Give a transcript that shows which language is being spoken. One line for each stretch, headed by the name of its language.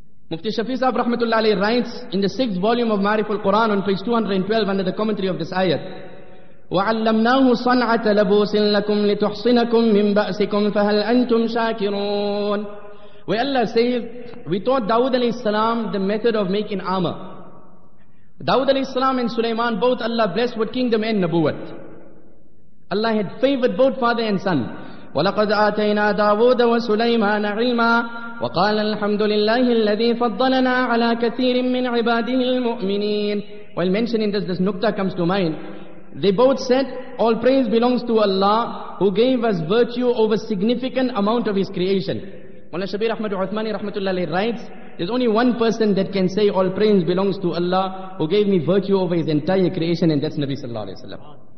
English: Mufti Shafi Sahib Rahmatullah Alayhi writes in the 6th volume of Ma'rif al-Quran on page 212 under the commentary of this ayat,
Arabic: وَعَلَّمْنَاهُ صَنْعَةَ لَبُوسٍ لَكُمْ لِتُحْصِنَكُمْ مِنْ بَأْسِكُمْ فَهَلْ أَنْتُمْ شَاكِرُونَ.
English: Where Allah says, we taught Dawud Alayhi Salam the method of making armor. Dawud Alayhi Salam and Sulaiman, both Allah blessed with kingdom and nabuwat. Allah had favored both father and son.
Arabic: وَلَقَدْ آتَيْنَا دَاوُودَ وَسُلَيْمَانَ عِلْمًا وقال الحمد لله الذي فضلنا على كثير من عباده المؤمنين.
English: While mentioning this, this nukta comes to mind. They both said, all praise belongs to Allah who gave us virtue over significant amount of His creation. Mullah Shabir Ahmad Uthmani rahmatullahi writes, there's only one person that can say all praise belongs to Allah who gave me virtue over His entire creation, and that's Nabi sallallahu alayhi wa sallam.